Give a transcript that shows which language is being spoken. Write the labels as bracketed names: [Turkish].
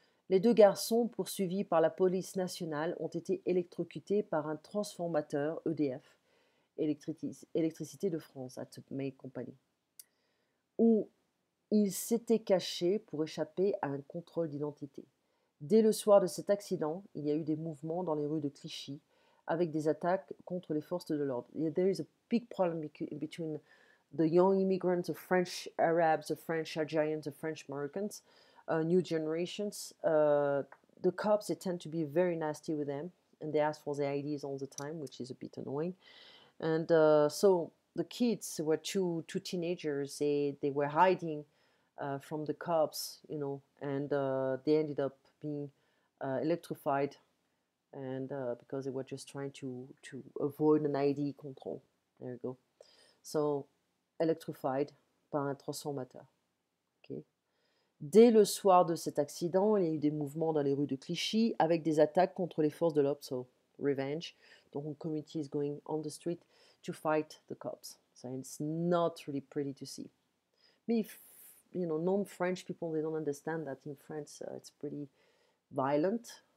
[French] Les deux garçons, poursuivis par la police nationale, ont été électrocutés par un transformateur EDF, Électricité de France, à toute main compagnie, où ils s'étaient cachés pour échapper à un contrôle d'identité. Dès le soir de cet accident, il y a eu des mouvements dans les rues de Clichy avec des attaques contre les forces de l'ordre. [English] There is a big problem between the young immigrants, the French Arabs, the French Algerians, the French Moroccans, new generations. The cops, they tend to be very nasty with them. and they asked for the IDs all the time, which is a bit annoying. And so the kids were two teenagers. They were hiding from the cops, you know, and they ended up being electrified, and because they were just trying to avoid an ID control. There you go. So electrified by a transformateur. [French] Dès le soir de cet accident, il y a eu des mouvements dans les rues de Clichy avec des attaques contre les forces de l'ordre, [English] so revenge. Donc, the community is going on the street to fight the cops. So it's not really pretty to see. But if, you know, non-French people, they don't understand that in France, it's pretty violent.